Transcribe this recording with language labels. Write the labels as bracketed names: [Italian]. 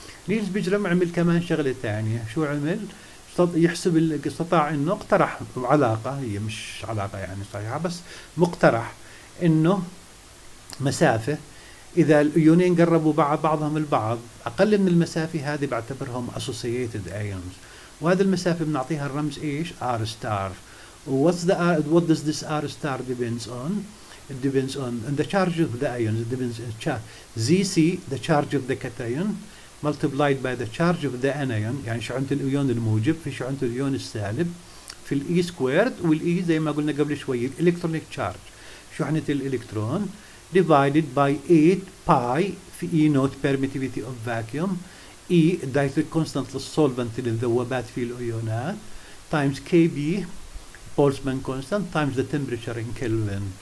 [Arabic] نيلز بيجرام عمل كمان شغلة ثانية، شو عمل؟ يحسب، استطاع انه اقترح علاقة، هي مش علاقة يعني صحيحة بس مقترح، انه مسافة اذا الايونين قربوا بعض بعضهم البعض اقل من المسافة هذه بعتبرهم اسوسييتد ايونز، وهذه المسافة بنعطيها الرمز ايش؟ ار ستار. [English] What does this r star depends on? It depends on and the charge of the ions. It depends on ZC, the charge of the cation, multiplied by the charge of the anion. [Arabic] يعني شحنة الأيون الموجب في شحنة الأيون السالب في الإي سكويرد، والإي زي ما قلنا قبل شوية الإلكترونيك تشارج، شحنة الإلكترون، [English] divided by 8 pi [Arabic] في E نوت [English] permittivity of vacuum، [Arabic] E dielectric constant للسولفنت للذوبات في الأيونات، times KB بولتزمان كونستانت تايمز ذا تمبريتشر ان كلفن.